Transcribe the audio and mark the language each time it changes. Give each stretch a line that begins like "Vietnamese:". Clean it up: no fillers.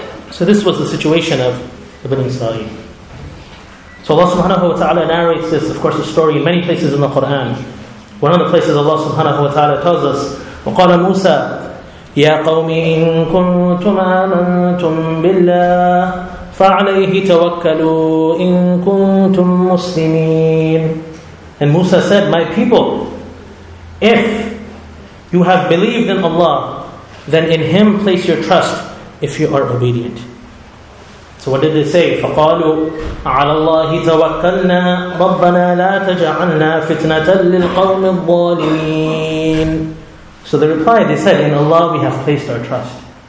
English: So this was the situation of the Bani Israel. So Allah subhanahu wa ta'ala narrates this, of course, the story in many places in the Qur'an. One of the places Allah subhanahu wa ta'ala tells us,
Arabic: وَقَالَ مُوسَى يَا قَوْمِ إِن كُنْتُمْ آمَنْتُمْ بِاللَّهِ فعليه توكلوا إن كنتم مسلمين.
English: And Musa said, my people, if you have believed in Allah, then in Him place your trust if you are obedient. So what did they say?
Arabic: فَقَالُوا عَلَى اللَّهِ تَوَكَّلْنَا رَبَّنَا لَا تَجَعَلْنَا فِتْنَةً لِلْقَوْمِ الظَّالِمِينَ.
English: So they replied, they said, in Allah we have placed our trust.